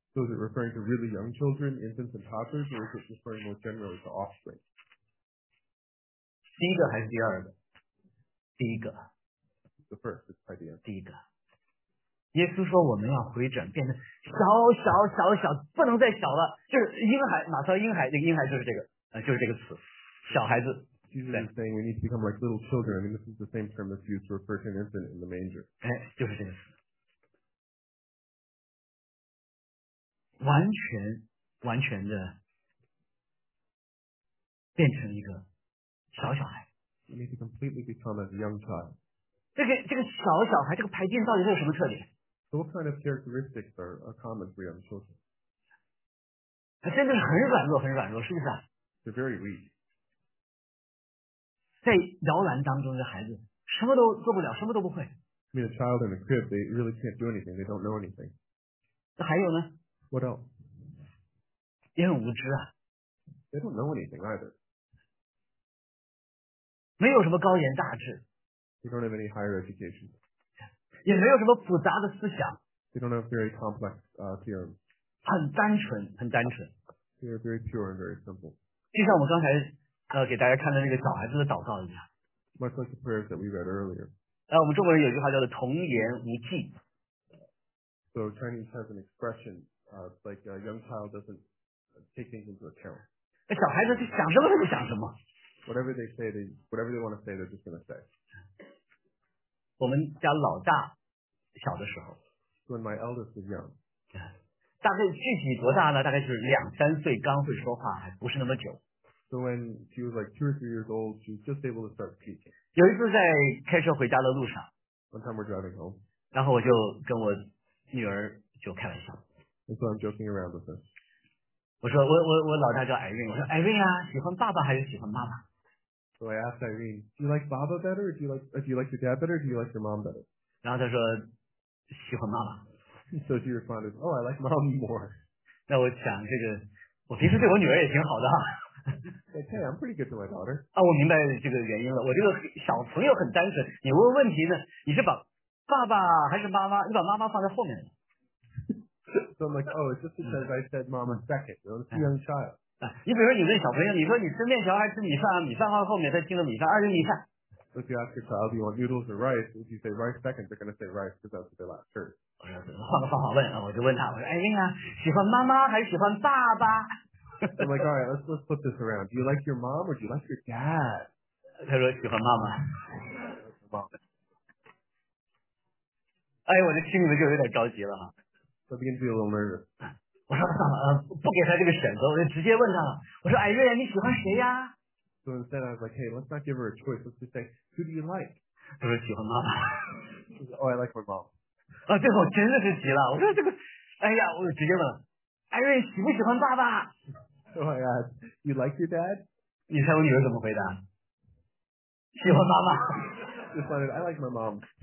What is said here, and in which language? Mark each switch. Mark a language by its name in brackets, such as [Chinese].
[English] So is it referring to really young children, infants and toddlers, or is it referring more generally to offspring? [Chinese] 第一个还是第二个？第一个。 [English] The first is 台电。 [Chinese] 第一个。耶稣说我们要回转变得小小小小不能再小了，就是婴孩，马太婴孩，那个婴孩就是这个就是这个词，小孩子。 [English] Jesus is saying we need to become like little children. I mean, this is the same term that's used to refer to an infant in the manger. [Chinese] 哎，就是这个词，完全完全的变成一个小小孩。 [English] We need to completely become as a young child. [Chinese] 这个小小孩，这个排便到底是有什么特点？ [English] So what kind of characteristics are common for young children? [Chinese] 他真的是很软弱，很软弱，是不是啊？ [English] They're very weak. [Chinese] 在摇篮当中的孩子，什么都做不了，什么都不会。 [English] I mean, a child in a crib, they really can't do anything. They don't know anything. [Chinese] 那还有呢？ [English] What else? [Chinese] 也很无知啊。 [English] They don't know anything either. [Chinese] 没有什么高言大志。 [English] They don't have any higher education. [Chinese] 也没有什么复杂的思想。 [English] They don't have very complex theorems. [Chinese] 很单纯，很单纯。 [English] They are very pure and very simple. [Chinese] 就像我刚才给大家看的那个小孩子的祷告一样。 [English] Much like the prayers that we read earlier. [Chinese] 我们中国人有句话叫做童言无忌。 [English] So Chinese has an expression, like a young child doesn't take things into account. [Chinese] 那小孩子就想什么他就想什么。 [English] Whatever they say, whatever they want to say, they're just going to say. [Chinese] 我们家老大小的时候 [English] ，When my eldest was young， [Chinese] 大概具体多大呢？大概就是两三岁，刚会说话，还不是那么久。 [English] So when she was like two or three years old, she was just able to start speaking. [Chinese] 有一次在开车回家的路上 [English] ，One time we're driving home， [Chinese] 然后我就跟我女儿就开玩笑 [English] ，So I'm joking around with her. [Chinese] 我说我老大叫 Irene， 我说 Irene 啊，喜欢爸爸还是喜欢妈妈？ [English] So I asked Irene, do you like Baba better, or do you like your dad better, or do you like your mom better? [Chinese] 然后她说喜欢妈妈。 [English] So she responded, oh, I like mom more. [Chinese] 那我想这个，我平时对我女儿也挺好的哈。 [English] Hey, okay, I'm pretty good to my daughter. [Chinese] 啊，我明白这个原因了。我这个小朋友很单纯，你问问题呢，你是把爸爸还是妈妈？你把妈妈放在后面。 [English] So I'm like, oh, it's just because I said mom in second. You know, it's a young child. [Chinese] 你比如说你问小朋友，你说你吃面条还是吃米饭啊？米饭放后面，他听了米饭，二是米饭。 [English] So if you ask your child, do you want noodles or rice? If you say rice second, they're going to say rice because that's what they last heard. [Chinese] 我说换个方法问啊，我就问他，我说哎呀，喜欢妈妈还是喜欢爸爸？ [English] I'm like, all right, let's flip this around. Do you like your mom or do you like your dad? [Chinese] 他说喜欢妈妈。哎，我这心里就有点着急了哈。 [English] So begin to be a little nervous. [Chinese] 我说算了，不给他这个选择，我就直接问他了。我说，哎，瑞瑞，你喜欢谁呀？ [English] So instead, I was like, hey, let's not give her a choice. Let's just say, who do you like? [Chinese] 他说喜欢妈妈。 [English] Oh, I like my mom. [Chinese] 啊，最后真的是急了。我说这个，哎呀，我就直接问了。艾瑞喜不喜欢爸爸 [English] ？Oh my God, you like your dad? [Chinese] 你猜我女儿怎么回答？喜欢妈妈。 [English] Just wondered, I like my mom.